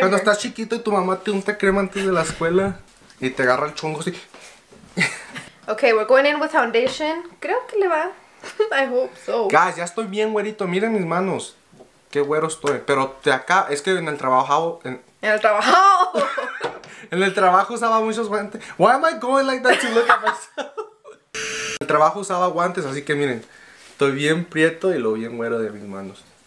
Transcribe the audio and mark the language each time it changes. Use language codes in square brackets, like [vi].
[es] Cuando estás chiquito y tu mamá te unta crema antes de la escuela. Y te agarra el chongo así. [en] Ok, we're going in with foundation. [es] Creo que le va. [en] I hope so. [es] Guys, ya estoy bien güerito. Miren mis manos. Qué güero estoy. Pero de acá, es que en el trabajo. En el trabajo. En el trabajo usaba muchos guantes. [en] Why am I going like that to look at myself? [es] El trabajo usaba guantes, así que miren, estoy bien prieto y lo bien güero de mis manos.